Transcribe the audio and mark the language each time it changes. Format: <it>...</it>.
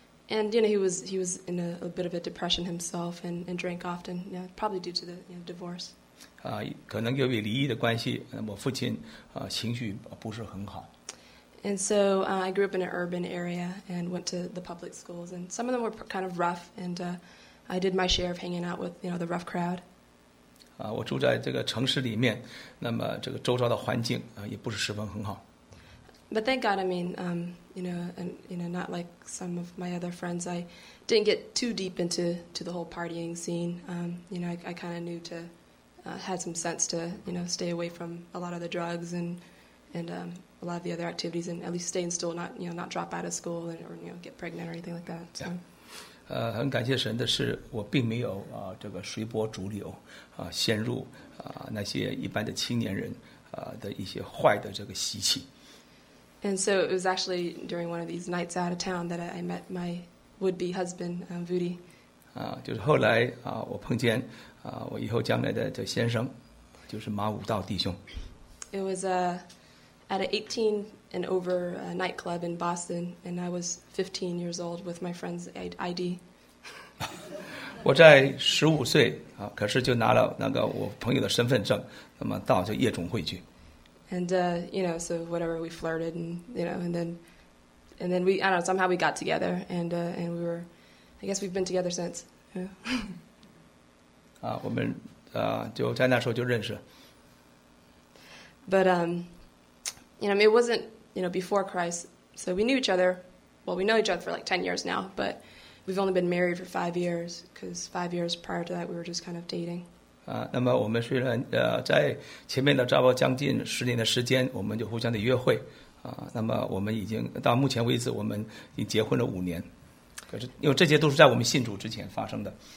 <en>And you know, he was in a bit of a depression himself, and drank often, you know, probably due to the, you know, divorce.</en> <zh>可能由于离异的关系，我父亲情绪不是很好。</zh> <en>And so I grew up in an urban area and went to the public schools, and some of them were kind of rough, and I did my share of hanging out with, you know, the rough crowd.</en> <zh>我住在这个城市里面，那么这个周遭的环境也不是十分很好。</zh> <en>But thank God, I mean, you know, not like some of my other friends, I didn't get too deep into the whole partying scene. You know, I kind of knew to, had some sense to, you know, stay away from a lot of the drugs and a lot of the other activities, and at least stay in school, not, you know, not drop out of school and, or, you know, get pregnant or anything like that. So. Yeah.</en> <zh>很感谢神的是，我并没有这个随波逐流，陷入那些一般的青年人的一些坏的这个习气。</zh> <en>And so it was actually during one of these nights out of town that I met my would-be husband, Vudi.</en> <zh>就是后来我碰见我以后将来的这先生，就是马武道弟兄。</zh> <en>It was a at an 18 and over nightclub in Boston, and I was 15 years old with my friend's ID.</en> <zh>我在15岁可是就拿了那个我朋友的身份证，那么到就夜总会去。</zh> <en>And you know, so whatever, we flirted, and you know, and then we, I don't know, somehow we got together, and we were, I guess we've been together since.</en> <zh>我们就在那时候就认识。</zh> <en>But you know, I mean, it wasn't, you know, before Christ, so we knew each other. Well, we know each other for like 10 years now, but we've only been married for 5 years, because 5 years prior to that, we were just kind of dating.</en> <zh>那么我们虽然在前面的差不多将近十年的时间，我们就互相的约会，那么我们已经到目前为止，我们已经结婚了五年，可是因为这些都是在我们信主之前发生的。</zh>